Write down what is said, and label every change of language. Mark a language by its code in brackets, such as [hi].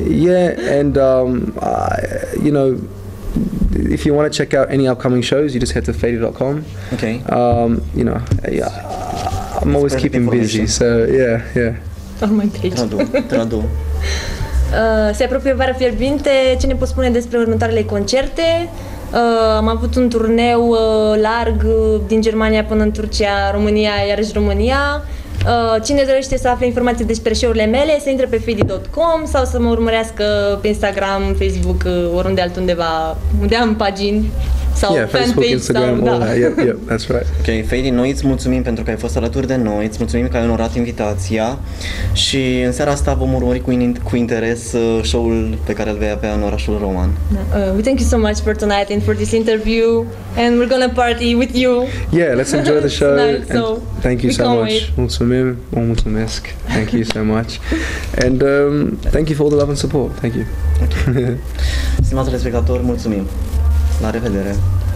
[en] Yeah, and, you know, if you want to check out any upcoming shows, you just head to faded.com. Okay. You know, yeah, I'm always keeping busy, so, yeah, yeah. On my page. [ro] Tradu, se apropie vara fierbinte. Ce ne poți spune despre următoarele concerte? Am avut un turneu larg din Germania până în Turcia, România, iarăși România. Cine dorește să afle informații despre show-urile mele, să intre pe fidi.com sau să mă urmărească pe Instagram, Facebook, oriunde altundeva, unde am pagini. Sau [en] yeah, Facebook, Instagram, [ro] sau, [en] all [ro] da. [en] That. Yep, yep, that's right. [ro] Okay, Fadi, noi îți mulțumim pentru că ai fost alături de noi, îți mulțumim că ai onorat invitația și în seara asta vom urmări cu interes show-ul pe care îl vei avea în orașul roman. [en] We thank you so much for tonight and for this interview and we're gonna party with you. Yeah, let's enjoy the show. Tonight, and so thank you so much. [ro] Mulțumim, o mulțumesc. [en] Thank you so much. And thank you for all the love and support. Thank you. [ro] Stimați telespectatori, mulțumim. La revedere!